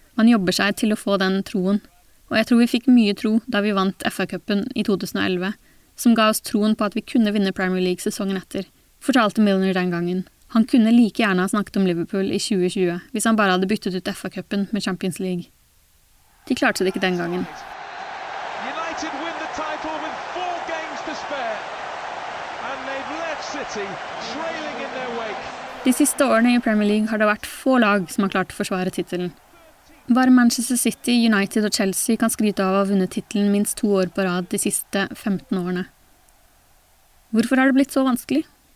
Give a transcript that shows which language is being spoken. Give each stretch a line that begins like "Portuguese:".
Norwegian: Man jobber seg til å få den troen. Og jeg tror vi fikk mye tro da vi vant FA-cupen I 2011, som ga oss troen på at vi kunne vinne Premier League sesongen etter, fortalte Milner den gangen. Han kunne like gjerne ha snakket om Liverpool I 2020, hvis han bare hadde byttet ut FA-cupen med Champions League. De klarte det ikke den gangen.
English: United win the title with 4 games to spare. And they've left City trailing in their wake.
Norwegian: De siste årene I Premier League har det vært få lag som har klart å forsvare titelen. Bare Manchester City, United og Chelsea kan skryte av å ha vunnet titelen minst 2 år på rad de siste 15 årene. Hvorfor har det blitt så vanskelig?